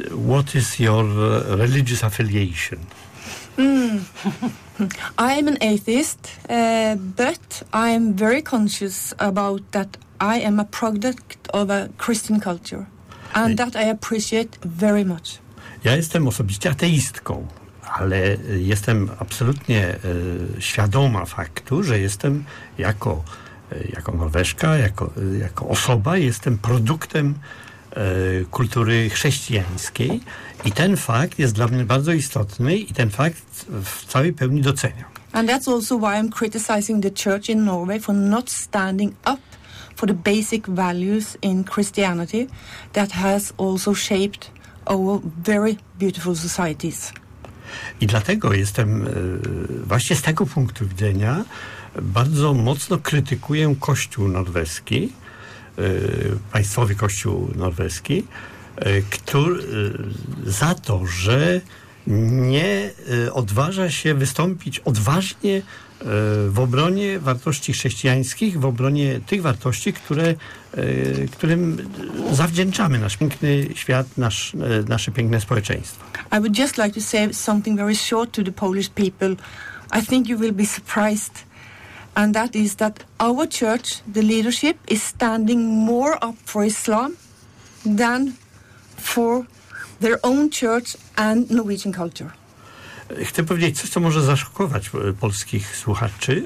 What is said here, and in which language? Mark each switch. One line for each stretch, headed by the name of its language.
English: What is your religious affiliation? I am an atheist, but I am very conscious about that I am a product of a Christian culture. And that I appreciate very much.
Polish: Ja jestem osobiście ateistką, ale jestem absolutnie świadoma faktu, że jestem jako Norweżka, jako osoba, jestem produktem kultury chrześcijańskiej i ten fakt jest dla mnie bardzo istotny i ten fakt w całej pełni doceniam.
English: And that's also why I'm criticizing the church in Norway for not standing up for the basic values in Christianity that has also shaped our very beautiful societies.
Polish: I dlatego jestem właśnie z tego punktu widzenia bardzo mocno krytykuję Kościół norweski, państwowy Kościół norweski, który za to, że nie odważa się wystąpić odważnie w obronie wartości chrześcijańskich, w obronie tych wartości, którym zawdzięczamy nasz piękny świat, nasze piękne społeczeństwo.
English: I would just like to say something very short to the Polish people. I think you will be surprised. And that is that our church, the leadership, is standing more up for Islam than for their own church and Norwegian culture.
Polish: Chcę powiedzieć coś, co może zaszokować polskich słuchaczy.